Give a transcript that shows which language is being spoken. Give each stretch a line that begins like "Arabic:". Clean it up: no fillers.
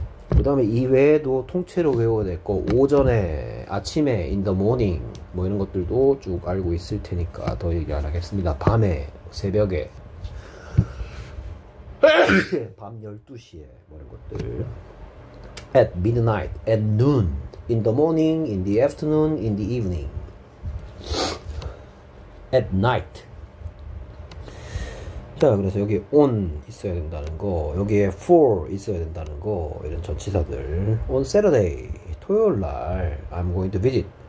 Korean: 그 다음에 이외에도 통째로 외워야 될거 오전에, 아침에,
English: in the morning
Korean: 뭐 이런 것들도 쭉 알고 있을 테니까 더 얘기 안 하겠습니다. 밤에, 새벽에, 밤 12시에 뭐 이런 것들.
English: At midnight, at noon, in the morning, in the afternoon, in the evening. At night.
Korean: 자, 그래서 여기 on 있어야 된다는 거, 여기에 for 있어야 된다는 거, 이런 전치사들.
English: On Saturday,
Korean: 토요일 날,
English: I'm going to visit.